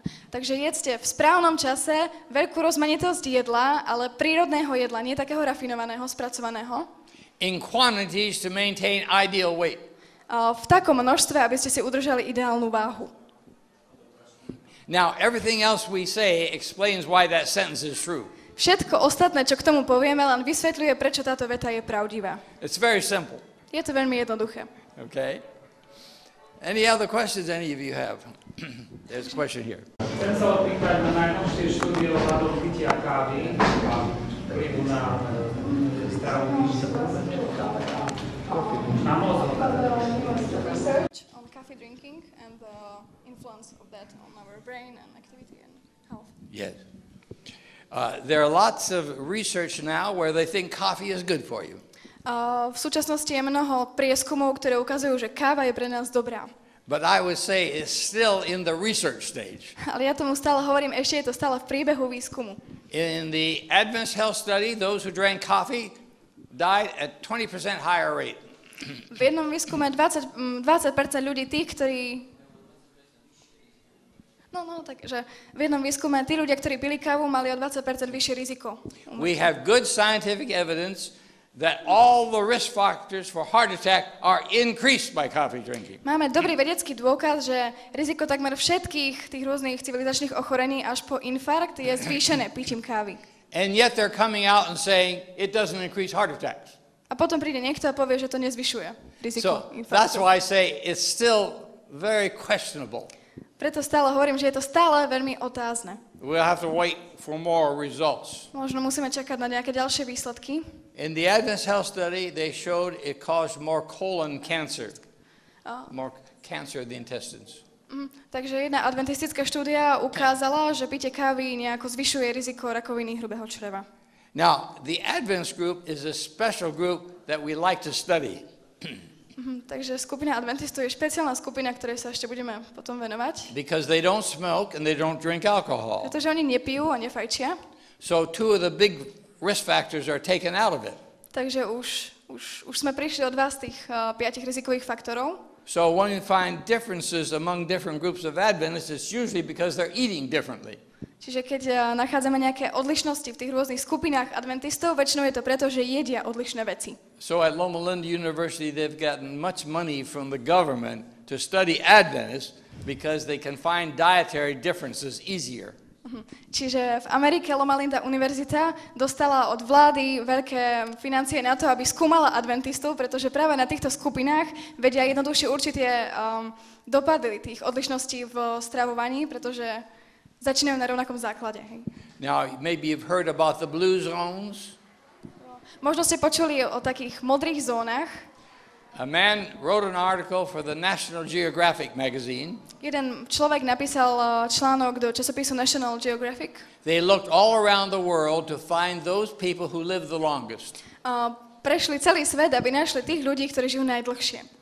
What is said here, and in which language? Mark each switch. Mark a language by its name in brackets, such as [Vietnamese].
[Slovak] Takže jedzte v správnom čase veľkú rozmanitosť jedla, ale prírodného jedla, nie takého rafinovaného, spracovaného. [English] In quantities to maintain ideal weight. [Slovak] V takom množstve, aby ste si udržali ideálnu váhu. [English] Now, everything else we say explains why that sentence is true. [Slovak] Všetko ostatné, čo k tomu povieme, len vysvetľuje, prečo táto veta je pravdivá. [English] It's very simple. [Slovak] Je to veľmi jednoduché. [English] Okay. Any other questions any of you have? There's a question here. [Slovak] Chcem sa opýtať na najnovšie štúdie o hľadom pitia kávy a vplyvu na zdravú myšlienku na mozog. [English] On coffee drinking and the influence of that on our brain and activity and health. Yes. There are lots of research now where they think coffee is good for you. [Slovak] V súčasnosti je mnoho prieskumov, ktoré ukazujú, že káva je pre nás dobrá. [English] But I would say it's still in the research stage. [Slovak] Ale ja tomu stále hovorím, ešte je to stále v príbehu výskumu. [English] In the Advanced Health Study, those who drank coffee died at 20% higher rate. [Slovak] V jednom výskume 20% ľudí tých, ktorí... takže v jednom výskume tí ľudia, ktorí pili kávu, mali o 20% vyššie riziko. [English] We have good scientific evidence that all the risk factors for heart attack are increased by coffee drinking. [Slovak] Máme dobrý vedecký dôkaz, že riziko takmer všetkých tých rôznych civilizačných ochorení až po infarkt je zvýšené pitím kávy. [English] And yet they're coming out and saying it doesn't increase heart attacks. [Slovak] A potom príde niekto a povie, že to nezvyšuje riziko infarktu. [English] That's why I say it's still very questionable. [Slovak] Preto stále hovorím, že je to stále veľmi otázne. [English] We'll have to wait for more results. [Slovak] Možno musíme čakať na nejaké ďalšie výsledky. [English] In the Advanced Health Study, they showed it caused more colon cancer. More cancer of the intestines. [Slovak] Takže jedna adventistická štúdia ukázala, že pitie kávy nejako zvyšuje riziko rakoviny hrubého čreva. [English] Now, the Advanced group is a special group that we like to study. [Slovak] Takže skupina adventistov je špeciálna skupina, ktorej sa ešte budeme potom venovať. [English] Because they don't smoke and they don't drink alcohol. [Slovak] Pretože oni nepijú a nefajčia. [English] So two of the big risk factors are taken out of it. [Slovak] Takže už sme prišli od vás tých piatich rizikových faktorov. [English] So when you find differences among different groups of Adventists, it's usually because they're eating differently. [Slovak] Čiže keď nachádzame nejaké odlišnosti v tých rôznych skupinách adventistov, väčšinou je to preto, že jedia odlišné veci. [English] So at Loma Linda University they've gotten much money from the government to study Adventists because they can find dietary differences easier. [Slovak] Čiže v Amerike Loma Linda Univerzita dostala od vlády veľké financie na to, aby skúmala adventistov, pretože práve na týchto skupinách vedia jednoduchšie určite dopadli tých odlišností v stravovaní, pretože začínajú na rovnakom základe. [English] Now, maybe you've heard about the blue zones. [Slovak] Možno ste počuli o takých modrých zónach. [English] A man wrote an article for the National Geographic magazine. [Slovak] Jeden človek napísal článok do časopisu National Geographic. [English] They looked all around the world to find those people who live the longest. [Slovak] Prešli celý svet, aby našli tých ľudí, ktorí žijú najdlhšie.